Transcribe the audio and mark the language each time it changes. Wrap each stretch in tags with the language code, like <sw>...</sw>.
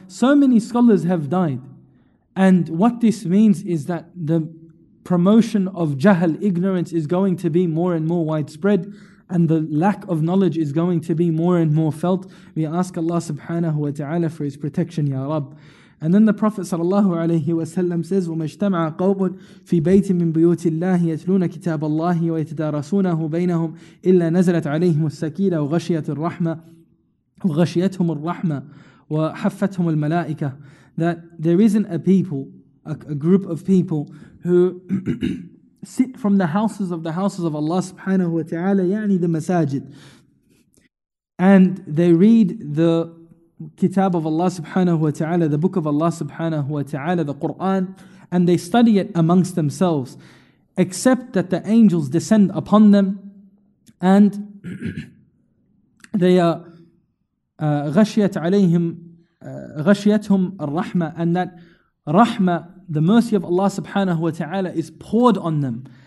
<en>So many scholars have died. And what this means is that the promotion of jahl, ignorance, is going to be more and more widespread, and the lack of knowledge is going to be more and more felt. We ask Allah subhanahu wa ta'ala for his protection, Ya Rab. And then the Prophet sallallahu alayhi wa sallam says,</en> <ar>وَمَجْتَمْعَ قَوْبٌ فِي بَيْتٍ مِّن بِيُوتِ اللَّهِ يَتْلُونَ كِتَابَ اللَّهِ وَيَتَدَارَسُونَهُ بَيْنَهُمْ إِلَّا نَزَلَتْ عَلَيْهِمُ السَّكِينَةُ وَغَشِيَتِ الرَّحْمَةُ وَغَشِيَتْهُمُ الرَّحْمَةُ وَحَفَّتْهُمُ الْمَلَائِكَةُ.</ar> <en>That there isn't a people, a group of people who sit from the houses of Allah subhanahu wa ta'ala, yani the masajid, and they read the kitab of Allah subhanahu wa ta'ala, the book of Allah subhanahu wa ta'ala, the Quran, and they study it amongst themselves, except that the angels descend upon them and they are</en> <ar>غَشِيَتْ عَلَيْهِمْ غَشِيَتْهُمْ الرَّحْمَةِ,</ar> <en>and that rahmah, the mercy of Allah subhanahu wa ta'ala, is poured on them.</en>